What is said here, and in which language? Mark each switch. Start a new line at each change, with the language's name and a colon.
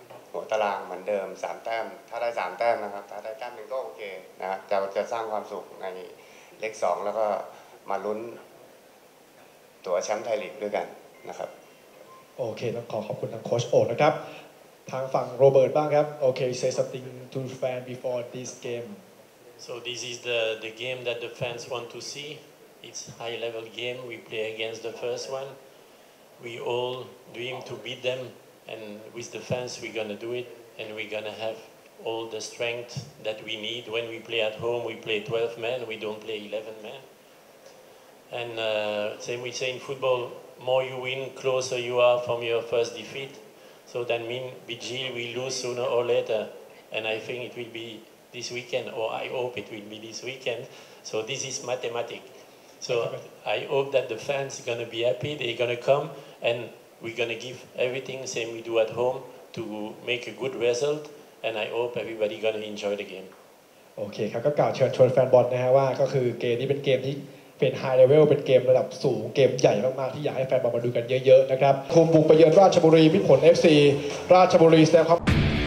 Thai: หัวตารางเหมือนเดิม3แต้มถ้าได้3แต้มนะครับถ้าได้แต้มนึงก็โอเคนะครับจะสร้างความสุขในเลข2แล้วก็มาลุ้นตั๋วแชมป์ไทยลีกด้วยกันนะครับ โอเคต้องขอขอบคุณทางโค้ชโอ๋นะครับทางฝั่งโรเบิร์ตบ้างครับโอเค
English: say something to fan before this game so this is the game that the fans want to see it's high level game we play against the first one we all dream to beat them and with the fans we're gonna do it and we're gonna have all the strength that we need when we play at home we play 12 men we don't play 11 men and same we say in footballMore you win, closer you are from your first defeat. So that means BG will lose sooner or later. And I think it will be this weekend, or I hope it will be this weekend. So this is mathematics. So I hope that the fans are going to be happy, they're going to come, and we're going to give everything, same we do at home, to make a good result. And I hope everybody going to enjoy the game.
Thai: Okay, ครับ ก็กล่าวเชิญชวนแฟนบอลนะฮะว่าก็คือเกมนี้เป็นเกมที่เป็นไฮเลเวลเป็นเกมระดับสูงเกมใหญ่มากๆที่อยากให้แฟนบอลมาดูกันเยอะๆนะครับคุมบุกไปเยือนราชบุรีพิชิต FC ราชบุรีแสดงความ